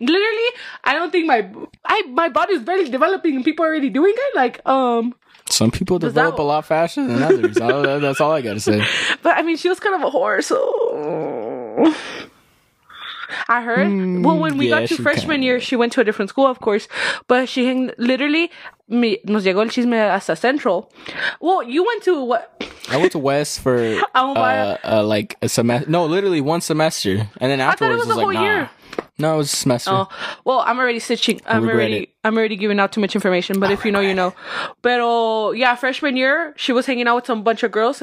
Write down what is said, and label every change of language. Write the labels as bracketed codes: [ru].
[en] Literally, I don't think my body is barely developing and people are already doing it. Like, some people develop a lot faster than others. That's all I got to say. But I mean, she was kind of a whore, so... I heard. Well, when we got to freshman year, she went to a different school, of course. But she [es] nos llegó el chisme hasta Central. [en] Well, you went to what? I went to West for like a semester. No, literally one semester. And then afterwards, I thought it was a whole year. No, it was a semester. Oh. Well, I'm already stitching. I'm already giving out too much information. But if you know, you know. But yeah, freshman year, she was hanging out with some bunch of girls.